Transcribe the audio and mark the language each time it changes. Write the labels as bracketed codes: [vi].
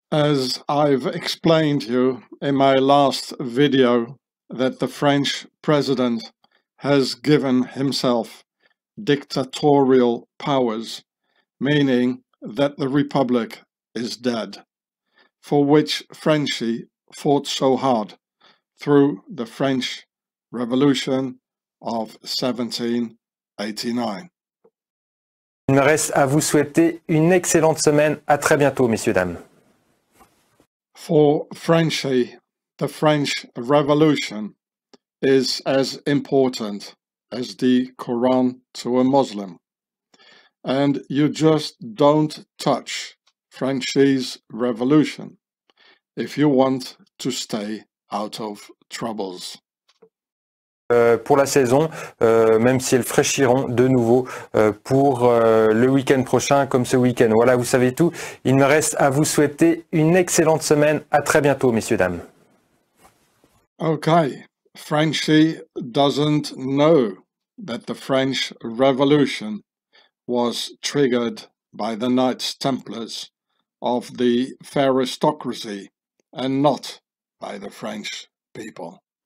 [en] As I've explained to you in my last video, that the French president has given himself dictatorial powers, meaning that the Republic is dead, for which Frenchy fought so hard through the French Revolution of 1789. [fr] Il me reste à vous souhaiter une excellente semaine. À très bientôt, messieurs, dames. [en] For Frenchy, the French Revolution is as important as the Quran to a Muslim. And you just don't touch Frenchy's revolution if you want to stay out of troubles. [fr] Pour la saison, même si elles fraîchiront de nouveau pour le week-end prochain, comme ce week-end. Voilà, vous savez tout. Il me reste à vous souhaiter une excellente semaine. À très bientôt, messieurs, dames. [en] Okay. Frenchy doesn't know that the French Revolution was triggered by the Knights Templars of the aristocracy and not by the French people.